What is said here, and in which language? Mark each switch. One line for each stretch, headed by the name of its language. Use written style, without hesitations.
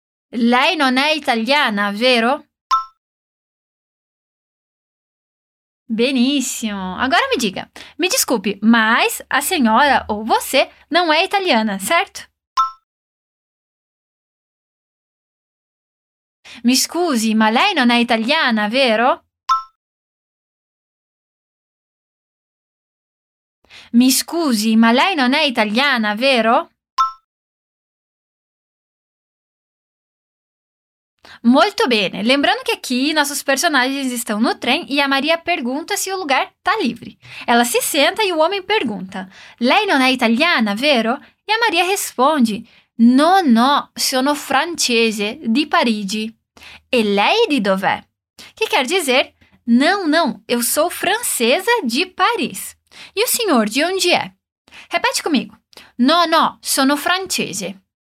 Italian: Lei non è italiana, vero?
Portuguese: Benissimo. Agora me diga, me desculpe, mas a senhora ou você não é italiana, certo?
Italian: Mi scusi, ma lei non è italiana, vero? Mi scusi, ma lei non è italiana, vero?
Portuguese: Muito bem. Lembrando que aqui nossos personagens estão no trem e a Maria pergunta se o lugar está livre. Ela se senta e o homem pergunta:
Italian: Lei non è italiana, vero?
Portuguese: E a Maria responde:
Italian: No, no, sono francese, di Parigi. E lei di dov'è?
Portuguese: Que quer dizer: Não, não, eu sou francesa de Paris. E o senhor de onde é? Repete comigo:
Italian: No, no, sono francese.